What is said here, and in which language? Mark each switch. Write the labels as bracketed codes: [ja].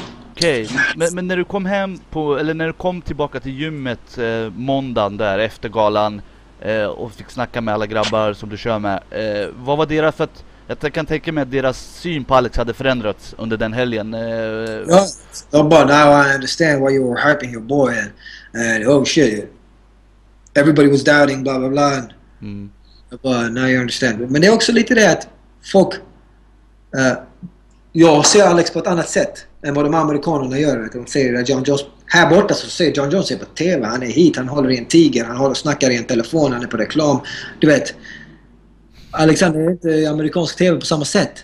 [sv] Okej, okay. Men när du kom hem på, eller när du kom tillbaka till gymmet måndagen där efter galan och fick snacka med alla grabbar som du kör med, vad var deras, för att jag kan tänka mig att deras syn på Alex hade förändrats under den helgen. [en] Ja, but now I understand why you were hyping your boy and oh shit, everybody was doubting blah blah blah. But now you understand. [sv] Men det är också lite det att folk, jag ser Alex på ett annat sätt än vad de amerikanerna gör. De säger att John Jones, här borta så ser John Jones på TV, han är hit, han håller i en tiger, han håller och snackar i en telefon, han är på reklam. Du vet, Alexander är inte amerikansk TV på samma sätt.